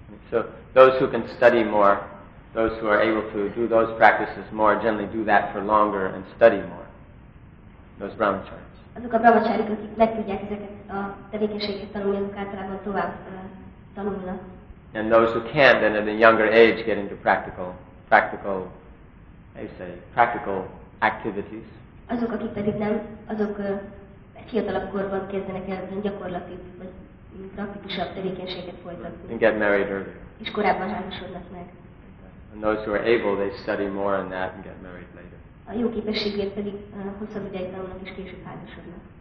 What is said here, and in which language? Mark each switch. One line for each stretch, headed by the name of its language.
English: So those who can study more, those who are able to do those practices more, generally do that for longer and study more. Those brahmacharis.
Hungarian: Azok a brahmacharik, akik meg tudják ezeket a tevékenységet tanulni, azok általában tovább tanulnak.
English: And those who can't, then at a younger age, get into practical, how you say, practical activities.
Hungarian: Azok, akik pedig nem, azok fiatalabb korban kezdenek el gyakorlati vagy praktikusabb tevékenységet folytatni.
English: And get married early.
Hungarian: És korábban házasodnak meg.
English: And those who are able, they study more on that and get married later.
Hungarian: A jó képességért pedig hosszabb ideig tanulnak és később házasodnak.